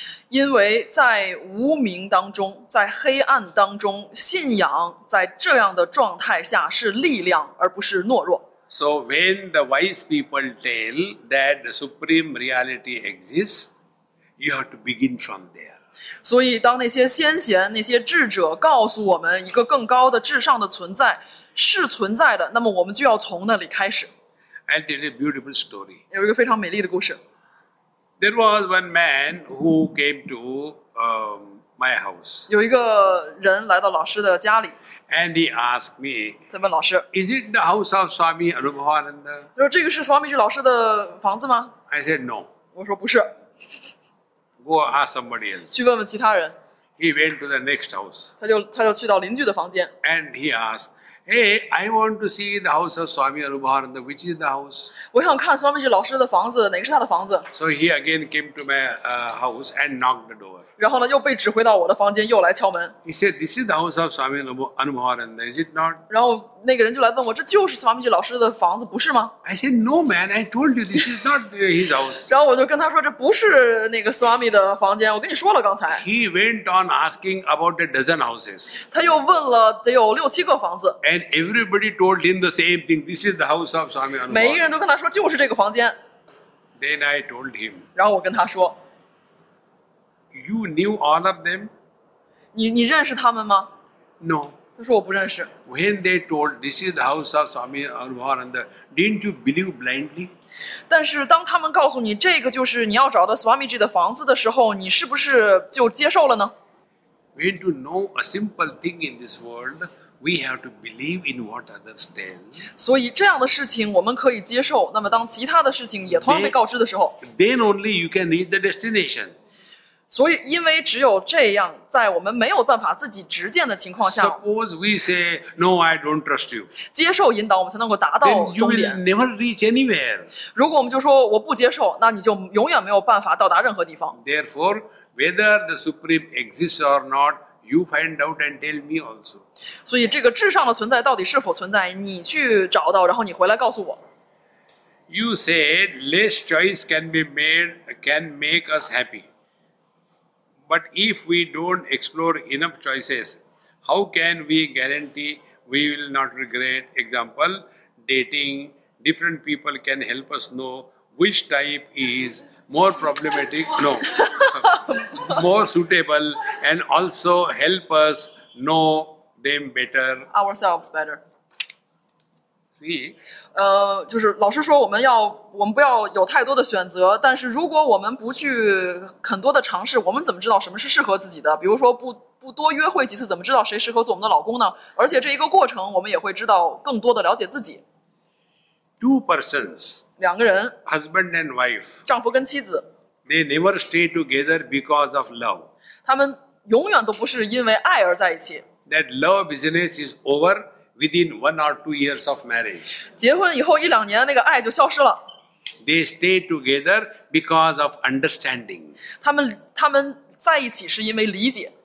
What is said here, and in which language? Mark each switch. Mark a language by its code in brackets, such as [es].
[zh] 因为在无明当中，在黑暗当中，信仰在这样的状态下是力量，而不是懦弱。 [en] So when the wise people tell that the supreme reality exists, you have to begin from there. [zh] 所以当那些先贤、那些智者告诉我们一个更高的至上的存在是存在的，那么我们就要从那里开始。 [en] I'll tell you a beautiful story. [zh] 有一个非常美丽的故事。 [en] There was one man who came to my house. [zh] 有一个人来到老师的家里。 [en] And he asked me, [zh] 他问老师, [en] Is it the house of Swami Anubhavananda? [zh] 他说, 这个是 Swami 老师的房子吗? [en] I said, no. [zh] 我说不是。 [en] Go ask somebody else. [zh] 去问问其他人。 [en] He went to the next house. [zh] 他就去到邻居的房间。 [en] And he asked, Hey, I want to see the house of Swami Anubhavananda. Which is the house? [zh] 我想看 Swami 老师的房子,哪个是他的房子? [en] So he again came to my house and knocked the door. [zh] 然后呢，又被指回到我的房间，又来敲门。 [en] He said, "This is the house of Swami Anubhavananda, is it not?" [zh] 然后那个人就来问我，这就是 Swamiji 老师的房子，不是吗 [en] ？I said, "No, man. I told you this is not his house." [zh] 然后我就跟他说，这不是那个 Swami 的房间，我跟你说了刚才。 [en] He went on asking about a dozen houses. [zh] 他又问了得有六七个房子。 [en] And everybody told him the same thing. This is the house of Swami Anubhavananda. [zh] 每一个人都跟他说，就是这个房间。 [en] Then I told him. [zh] 然后我跟他说。 [en] You knew all of them? [zh] 你认识他们吗 [en] ？No. [zh] 他说我不认识。 [en] When they told this is the house of Swami Anubhavananda, didn't you believe blindly? [zh] 但是当他们告诉你这个就是你要找的 Swamiji 的房子的时候，你是不是就接受了呢 [en] ？When to know a simple thing in this world, we have to believe in what others tell. [zh] 所以这样的事情我们可以接受。那么当其他的事情也同样被告知的时候 [en] ，Then only you can reach the destination. [zh] 所以，因为只有这样，在我们没有办法自己直见的情况下 [en] ，Suppose we say no, I don't trust you. [zh] 接受引导，我们才能够达到终点。 [en] Then you will never reach anywhere. [zh] 如果我们就说我不接受，那你就永远没有办法到达任何地方。 [en] Therefore, whether the supreme exists or not, you find out and tell me also. [zh] 所以，这个至上的存在到底是否存在，你去找到，然后你回来告诉我。 [en] You said less choice can be made can make us happy. But if we don't explore enough choices, how can we guarantee we will not regret. Example, dating, different people can help us know which type is more problematic, no, more suitable, and also help us know them better. Ourselves better. See? [zh] 就是老师说我们不要有太多的选择，但是如果我们不去很多的尝试，我们怎么知道什么是适合自己的？比如说不多约会几次，怎么知道谁适合做我们的老公呢？而且这一个过程，我们也会知道更多的了解自己。 [en] Two persons, [zh] 两个人 [en] husband and wife, [zh] 丈夫跟妻子 [en] they never stay together because of love. [zh] 他们永远都不是因为爱而在一起。 [en] That love business is over within 1 or 2 years of marriage. [zh] 结婚以后一两年，那个爱就消失了。 [en] They stay together because of understanding. [zh] 他们在一起是因为理解。